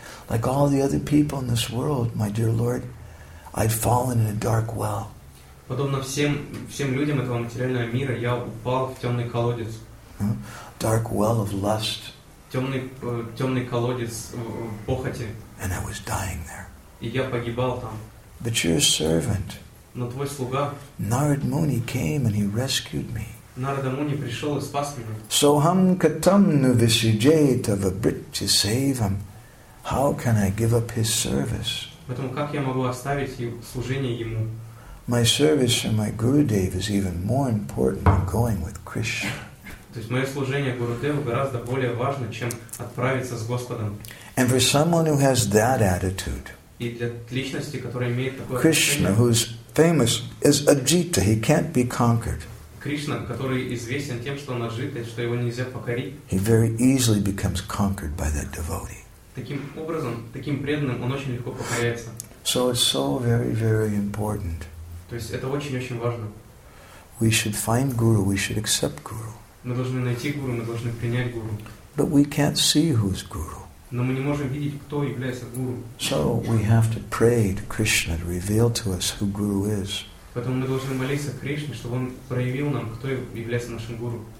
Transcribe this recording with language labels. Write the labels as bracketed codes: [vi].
[en] Like all the other people in this world, my dear Lord, I've fallen in a dark well. [ru] Подобно всем людям этого материального мира, я упал в темный колодец. [en] Dark well of lust. [ru] Темный колодец похоти. [en] And I was dying there. [ru] И я погибал там. [en] But your servant, [ru] но твой слуга, [en] Narad Muni came and he rescued me. [ru] Narada Muni пришел и спас меня. [sa] Soham katam nuvisijeta vibritya sevam. [en] How can I give up his service? [ru] Поэтому как я могу оставить служение ему? [en] My service to my Gurudev is even more important than going with Krishna. [ru] То есть мое служение Гурудеву гораздо более важно, чем отправиться с Господом. [en] And for someone who has that attitude, [ru] и для личности, которая имеет такое отношение, [en] Krishna, who's famous, is Ajita. He can't be conquered. [ru] Кришна, который известен тем, что он Аджита, что его нельзя покорить. [en] He very easily becomes conquered by that devotee. [ru] Таким образом, таким преданным он очень легко покоряется. [en] So it's so very, very important. [ru] То есть это очень-очень важно. [en] We should find guru, we should accept guru. [ru] Мы должны найти гуру, мы должны принять гуру. [en] But we can't see who's guru. [ru] Но мы не можем видеть, кто является гуру. [en] So we have to pray to Krishna to reveal to us who guru is. [ru] Поэтому мы должны молиться Кришне, чтобы он проявил нам, кто является нашим гуру.